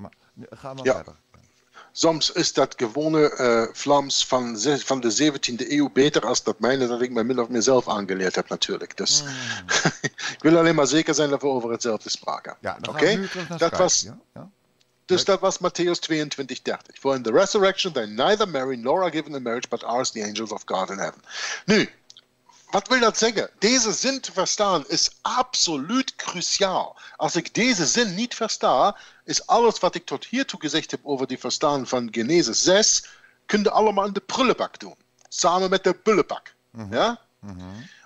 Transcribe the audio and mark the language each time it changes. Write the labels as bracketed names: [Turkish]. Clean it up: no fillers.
[Dutch] Maar gaan we verder. Soms is dat gewone Vlaams van de 17e eeuw beter als dat mijne, dat ik mij min of meer zelf aangeleerd heb natuurlijk. Dus ik wil alleen maar zeker zijn dat we over hetzelfde spraken. Ja, dan okay? Gaan we nu terug naar Skype. Dus dat was Matthäus 22:30. [English] For in the resurrection they neither marry nor are given in marriage, but are as the angels of God in heaven. [Dutch] Nu, wat wil dat zeggen? Deze zin te verstaan is absoluut cruciaal. Als ik deze zin niet versta, is alles wat ik tot hiertoe gezegd heb over die verstaan van Genesis 6, kunnen allemaal in de prullenbak doen. Samen met de bullenbak. Mm-hmm. Ja? Mm-hmm.